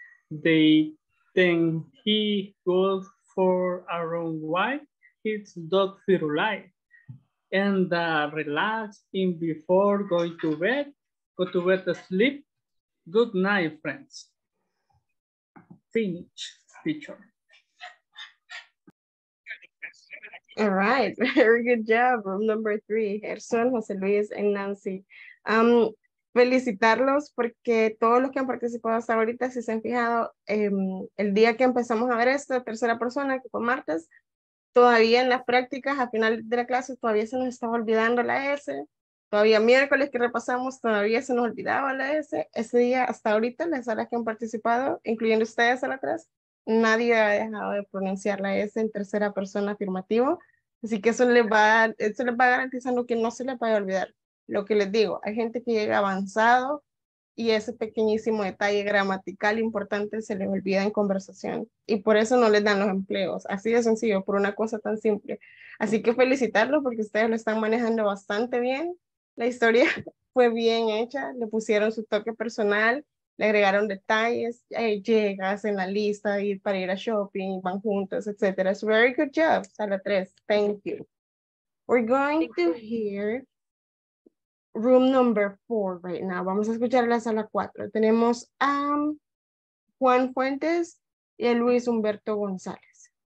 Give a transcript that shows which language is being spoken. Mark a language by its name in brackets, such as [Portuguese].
[English] Then he goes for a run while his dog Firulais and relax in before going to bed. Go to bed to sleep. Good night, friends. Finish, teacher. All right, very good job. Room number three, Gerson, Jose Luis, and Nancy. [Spanish] Felicitarlos porque todos los que han participado hasta ahorita, si se han fijado, el día que empezamos a ver esta tercera persona, que fue martes, todavía en las prácticas, a final de la clase, todavía se nos estaba olvidando la S, todavía miércoles que repasamos, todavía se nos olvidaba la S, ese día hasta ahorita, las salas que han participado, incluyendo ustedes a la 3, nadie ha dejado de pronunciar la S en tercera persona afirmativo, así que eso les va garantizando que no se les vaya a olvidar. Lo que les digo, hay gente que llega avanzado y ese pequeñísimo detalle gramatical importante se les olvida en conversación y por eso no les dan los empleos, así de sencillo, por una cosa tan simple. Así que felicitarlos porque ustedes lo están manejando bastante bien, la historia fue bien hecha, le pusieron su toque personal, le agregaron detalles, llegas en la lista para ir a shopping, van juntos, etc. [English] It's a very good job, sala 3, thank you. We're going to hear room number 4 right now. [Spanish] Vamos a escuchar la sala 4. Tenemos a Juan Fuentes y a Luis Humberto González.